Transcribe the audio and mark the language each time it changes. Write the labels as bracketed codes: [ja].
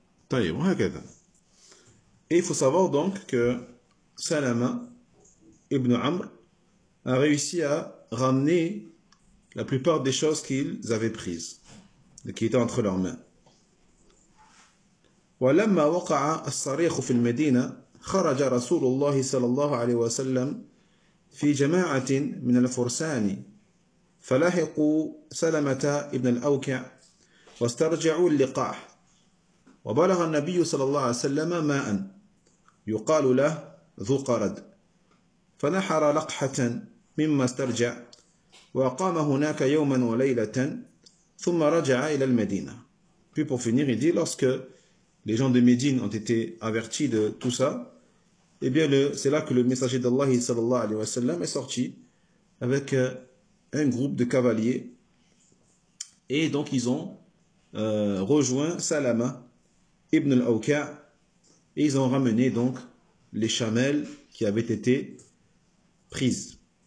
[ar] طيب وهكذا. [fr] Et il faut savoir donc que Salama ibn Amr a réussi à ramener la plupart des choses qu'ils avaient prises et qui étaient entre leurs mains. [ar] ولما وقع الصريخ في المدينة خرج رسول الله صلى الله عليه وسلم في جماعة من الفرسان فلاحقوا سلمة ابن الأوكع واسترجعوا اللقاح وبلغ النبي صلى الله عليه وسلم ماء يقال له ذو قرد فنحر لقحة مما استرجع وقام هناك يوما وليلة ثم رجع إلى المدينة. [fr] Puis pour finir, il dit, lorsque les gens de Médine ont été avertis de tout ça, eh bien c'est là que le messager d'Allah sallallahu alayhi wa sallam est sorti avec un groupe de cavaliers. Et donc ils ont rejoint Salama ibn al-Awqa' et ils ont ramené donc les chamelles qui avaient été prises.